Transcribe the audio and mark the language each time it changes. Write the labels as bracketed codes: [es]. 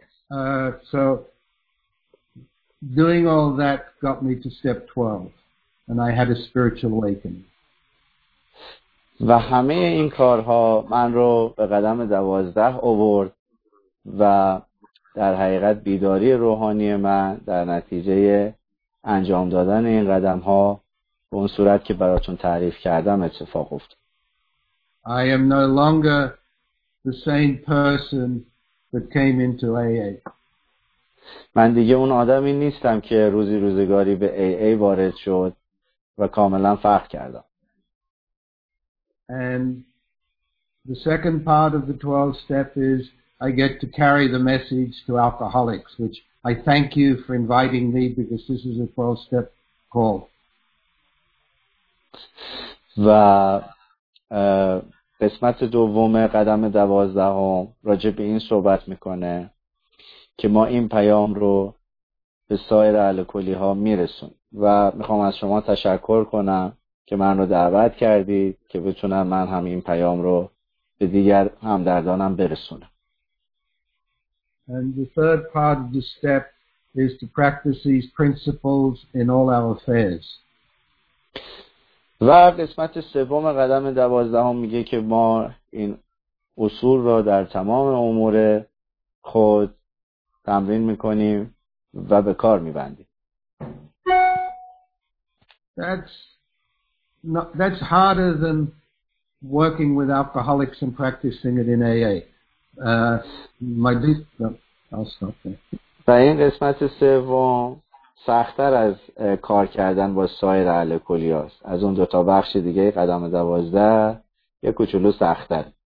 [en] So doing all that got me to step 12, and I had a spiritual awakening. [fa] و همه این کارها من رو به قدم 12 آورد و در حقیقت بیداری روحانی من در نتیجه انجام دادن این قدم ها به اون صورت که براتون تعریف کردم اتفاق افتاد. [en] I am no longer the same person that came into AA. [fa] من دیگه اون آدمی نیستم که روزی روزگاری به AA وارد شد و کاملا فرق کردم. [en] And the second part of the 12th step is I get to carry the message to alcoholics, which I thank you for inviting me because this is a 12th step call. [fa] و قسمت دوم قدم 12 راجع به این صحبت میکنه که ما این پیام رو به سایر الکلی ها میرسونیم و میخوام از شما تشکر کنم که من رو دعوت کردید که بتونم من هم این پیام رو به دیگر همدردانم برسونم. [en] And the third part of the step is to practice these principles in all our affairs. [fa] و قسمت سوم قدم 12 میگه که ما این اصول رو در تمام امور خود تمرین میکنیم و به کار میبندیم. [en] That's harder than working with alcoholics and practicing it in AA. I'll stop there. [fa] و این قسمت سوم سخت‌تر از کار کردن با سایر الکلی هاست. از اون دوتا بخش دیگه قدم 12 یک کوچولو سخت‌تر.